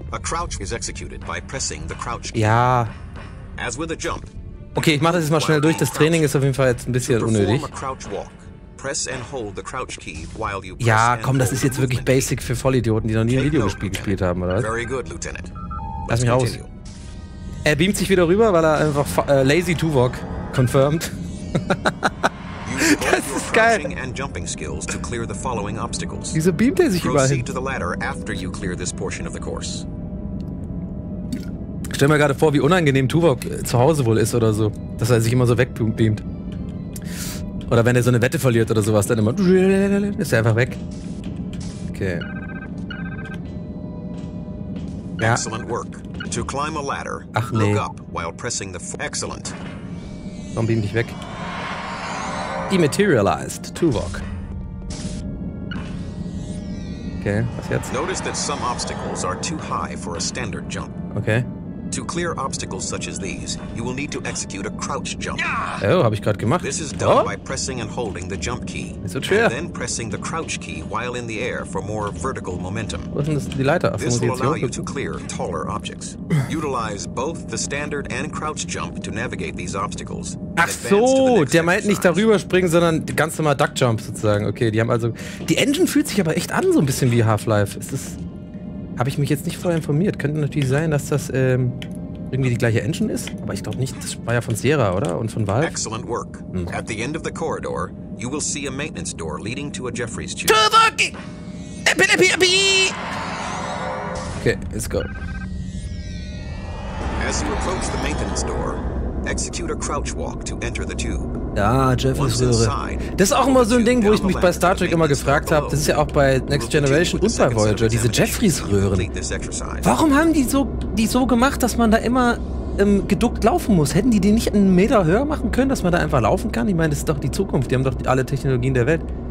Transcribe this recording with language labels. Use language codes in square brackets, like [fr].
[en] A crouch is executed by pressing the crouch key. Ja. As with a jump. [de] Okay, ich mache das jetzt mal schnell durch. Das Training ist auf jeden Fall jetzt ein bisschen unnötig. [en] Press and hold the crouch key while you press. [de] Ja, komm, das ist jetzt wirklich basic für Vollidioten, die noch nie ein Videospiel gespielt haben, oder was? [en] Very good, Lieutenant. [de] Lass mich raus. Er beamt sich wieder rüber, weil er einfach lazy Tuvok confirmed. Das ist geil. [en] And jumping skills to clear the following obstacles. [de] Wieso beamt er sich überall hin? [en] Proceed to the ladder after you clear this portion of the course. [de] Stell mir gerade vor, wie unangenehm Tuvok zu Hause wohl ist oder so, dass er sich immer so wegbeamt. Oder wenn er so eine Wette verliert oder sowas, dann immer ist er einfach weg. [en] Okay. Ja. Excellent work. To climb a ladder. [de] Ach nee. [en] Look up while pressing the excellent. [de] Warum beam dich weg? [en] Dematerialized Tuvok. Okay, [de] was jetzt? [en] Notice that some obstacles are too high for a standard jump. Okay. To clear obstacles such as these, you will need to execute a crouch jump. [de] Oh, habe ich gerade gemacht. [en] This is done by pressing and holding the jump key. So true. Then pressing the crouch key while in the air for more vertical momentum. [de] Was ist denn das, die Leiter? [en] This will allow you to clear taller objects. Utilize both the standard and crouch jump to navigate these obstacles. [de] Ach so, der meint nicht darüber springen, sondern ganz normal Duck Jump sozusagen. Okay, die haben also. Die Engine fühlt sich aber echt an, so ein bisschen wie Half-Life. Ist das. Habe ich mich jetzt nicht vorher informiert. Könnte natürlich sein, dass das irgendwie die gleiche Engine ist. Aber ich glaube nicht. Das war ja von Sierra, oder? Und von Valve. [en] Excellent work. At the end of the corridor, you will see a maintenance door leading to a Jeffrey's tube. Okay, let's go. As you approach the maintenance door, execute a crouch walk to enter the tube. [de] Ja, Jeffrey's Röhre. Das ist auch immer so ein Ding, wo ich mich bei Star Trek immer gefragt habe. Das ist ja auch bei Next Generation und bei Voyager, diese Jeffrey's Röhren. Warum haben die so gemacht, dass man da immer geduckt laufen muss? Hätten die nicht einen Meter höher machen können, dass man da einfach laufen kann? Ich meine, das ist doch die Zukunft. Die haben doch alle Technologien der Welt.